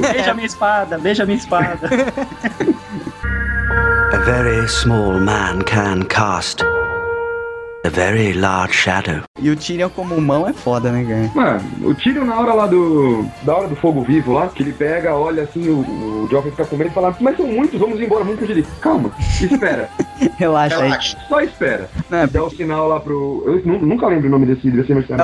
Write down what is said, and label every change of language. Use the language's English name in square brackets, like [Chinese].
[Portuguese] Beija minha espada, beija minha espada. [English] A very small man can cast a very large shadow. [Portuguese] E o Tyrion como mão é foda, né, cara? Mano, o Tyrion na hora lá da hora do fogo vivo lá, que ele pega, olha assim, o Joffrey fica com medo e fala, mas são muitos, vamos embora, vamos fugir. Calma, espera. Relaxa aí. Só espera. Não, dá o sinal lá pro... Eu nunca lembro o nome desse, devia ser mercenário.